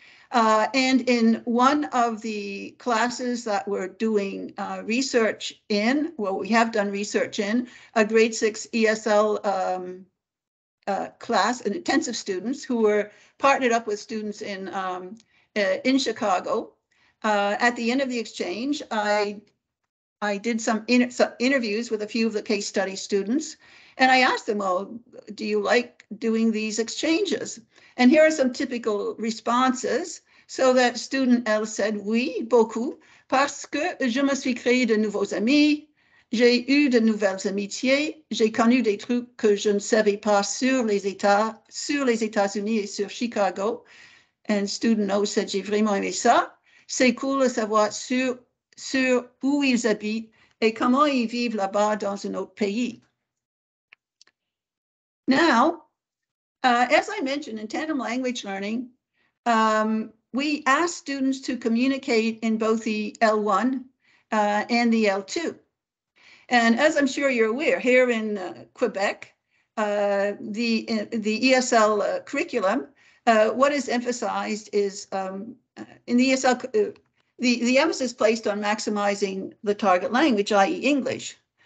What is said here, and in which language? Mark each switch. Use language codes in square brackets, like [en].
[en] And in one of the classes that we're doing research in, well, we have done research in, a grade six ESL class, an intensive students who were partnered up with students in Chicago. At the end of the exchange, I did some interviews with a few of the case study students, and I asked them, well, do you like doing these exchanges? And here are some typical responses. So that student L said, [fr] oui, beaucoup, parce que je me suis créé de nouveaux amis, j'ai eu de nouvelles amitiés, j'ai connu des trucs que je ne savais pas sur les États-Unis et sur Chicago. [en] And student O said, [fr] j'ai vraiment aimé ça. C'est cool de savoir sur où ils habitent et comment ils vivent là-bas dans un autre pays. [en] Now, as I mentioned, in tandem language learning, we ask students to communicate in both the L1 and the L2. And as I'm sure you're aware, here in Quebec, the ESL curriculum, what is emphasized is in the ESL, the emphasis placed on maximizing the target language, i.e. English.